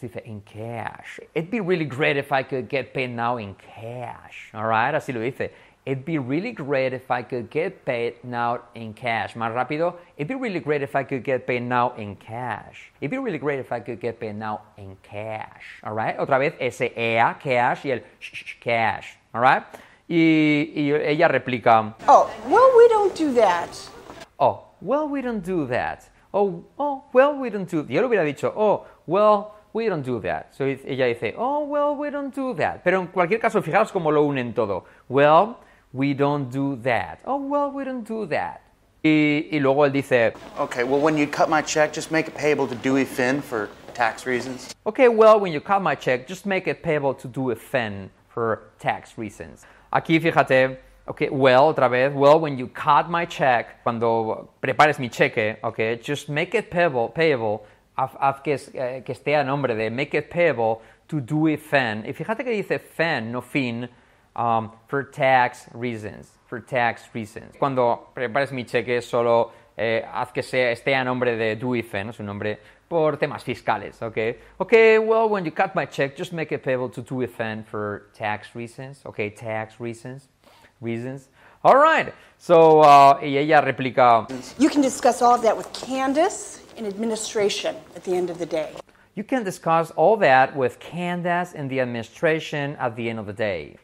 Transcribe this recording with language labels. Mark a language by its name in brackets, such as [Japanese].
[English] Dice, in cash. It'd be really great if I could get paid now in cash, all right? [Spanish] Así lo dice. [English] It'd be really great if I could get paid now in cash. [Spanish] Más rápido. [English] It'd be really great if I could get paid now in cash. It'd be really great if I could get paid now in cash. All right? [Spanish] Otra vez, ese ea, cash, y el shh, cash. [English] All right? [Spanish] Y ella replica, [English] oh, well, we don't do that. Oh, well, we don't do that. Oh, well, we don't do that. [Spanish] Yo le hubiera dicho, [English] oh, well, we don't do that. So [Spanish] ella dice, [English] oh, well, we don't do that. [Spanish] Pero en cualquier caso, fijaros cómo lo unen todo. [English] Well, we don't do that. Oh, well, we don't do that. [Spanish] Y luego él dice, [English] okay, well, when you cut my check, just make it payable to Dewey Finn for tax reasons. Okay, well, when you cut my check, just make it payable to Dewey Finn for tax reasons. [Spanish] Aquí, fíjate, [English] okay, well, [Spanish] otra vez, [English] well, when you cut my check, [Spanish] cuando prepares mi cheque, [English] okay, just make it payable, [Spanish] que esté a nombre de, [English] make it payable to Dewey Finn. [Spanish] Y fíjate que dice Finn, no Finn, [English] for tax reasons. [Spanish] Cuando prepares mi cheque, solo haz que esté a nombre de Dewey Finn, su nombre, por temas fiscales, okay? [English] Okay, well, when you cut my check, just make it payable to Dewey Finn for tax reasons, okay, tax reasons. All right, so, [Spanish] y ella replica, [English] you can discuss all of that with Candace in administration at the end of the day. You can discuss all that with Candace in the administration at the end of the day.